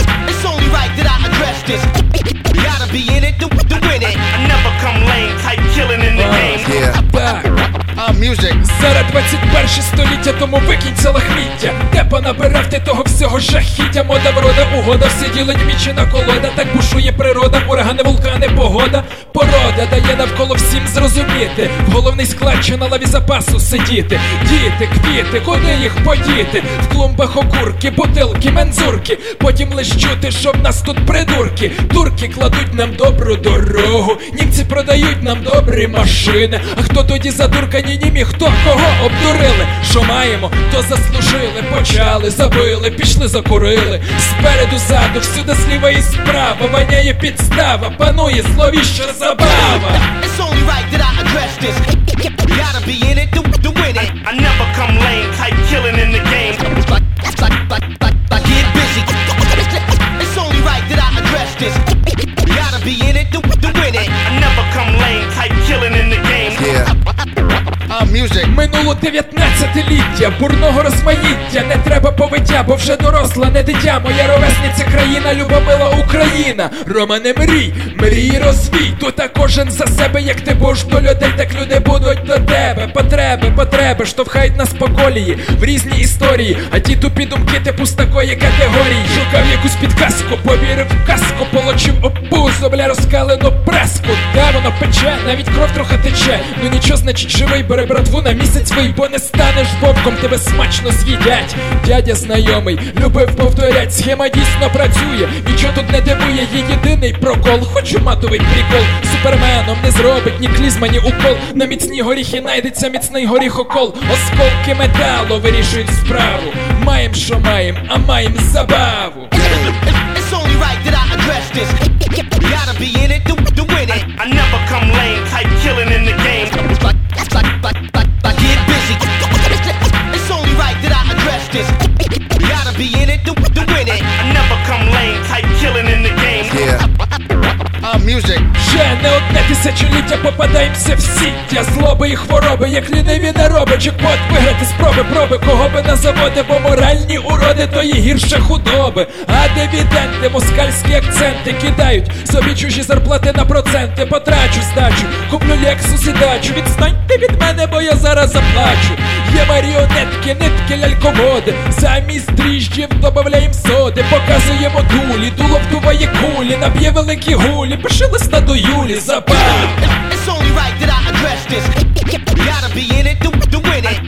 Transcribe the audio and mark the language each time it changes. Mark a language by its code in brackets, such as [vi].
[en] It's only right that I address this. Gotta be in it to win it. I never come lame, type killing in the game. Music. [uk] Зараз 21 століття, тому викинь це лахміття. Де понабирав ти того всього жахіття? Мода, врода, угода, всі ділить мічена колода. Так бушує природа, урагани, вулкани, погода. Порода дає навколо всім зрозуміти. В головний склад чи на лаві запасу сидіти. Діти, квіти, куди їх подіти? В клумбах окурки, бутилки, мензурки. Потім лиш чути, що в нас тут придурки. Турки кладуть нам добру дорогу. Німці продають нам добрі машини. А хто тоді за дурка? Ні-ні-мі, хто кого обдурили? Що маємо, то заслужили. Почали, забили, пішли, закурили. Спереду, ззаду, всюди зліва і справа. Ваняє підстава, панує зловіща забава. [en] It's only right that I address this. Gotta be in it to win it. I never come lame, type killing in the game. But get busy. It's only right that I address this. Gotta be in it to win it. I never come lame, type killing in the game. Yeah. Music. [uk] Минуло 19-ліття, бурного розмаїття. Не треба повиття, бо вже доросла, не дитя. Моя ровесниця країна, любомила Україна. Романе, мрій, мрій, розвій. То та кожен за себе, як ти будеш до людей, так люди будуть до тебе. Потреби, потреби, штовхають нас по колії в різні історії. А ті тупі думки типу з такої категорії. Шукав якусь підказку, повірив в каску. Получив опузу, бля, розкалену преску. Де воно пече, навіть кров трохи тече. Ну нічого, значить, живий, бери братву на місяць свій, бо не станеш вовком, тебе смачно з'їдять. Дядя знайомий, любив повторять, схема дійсно працює. Нічого тут не дивує, є єдиний прокол. Хочу матовий прикол, суперменом не зробить ні клізма, ні укол. На міцні горіхи найдеться міцний горіх окол. Осколки металу вирішують справу. Маєм, що маєм, а маєм забаву. [en] It's only right that I address this. Gotta be in it to win it. I never come lame, type killing in the game. But get busy. It's only right that I address this. Gotta be in it to win it. I never come lame, type killing in the game. Yeah. Music. [uk] Вже не одне тисячоліття попадаємося в сіття. Злоби і хвороби, як ліниві не робить. Чекпот виграти спроби, проби, кого би на заводи. Бо моральні уроди, то і гірше худоби. А дивіденди, москальські акценти кидають собі чужі зарплати на проценти. Потрачу здачу, куплю Lexus і дачу. Відстаньте від мене, бо я зараз заплачу. Є маріонетки, нитки, ляльководи. Замість дріжджів добавляєм соди. Показуємо дулі, дуло вдуває кулі. Наб'є великі гулі, пиши листа до Юлі, забав. [en] It's only right that I address this. Gotta be in it to win it.